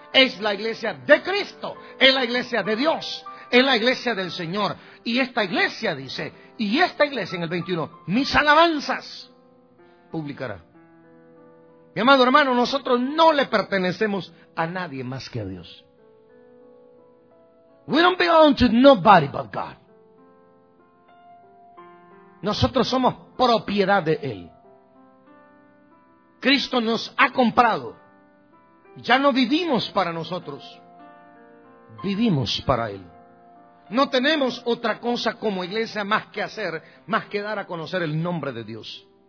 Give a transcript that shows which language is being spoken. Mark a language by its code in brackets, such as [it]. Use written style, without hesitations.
[es] Es la iglesia de Cristo, es la iglesia de Dios, es la iglesia del Señor. Y esta iglesia, dice, y esta iglesia en el 21, mis alabanzas publicará. Mi amado hermano, nosotros no le pertenecemos a nadie más que a Dios. [en] We don't belong to nobody but God. [es] Nosotros somos propiedad de Él. Cristo nos ha comprado. Ya no vivimos para nosotros, vivimos para Él. No tenemos otra cosa como iglesia más que hacer, más que dar a conocer el nombre de Dios.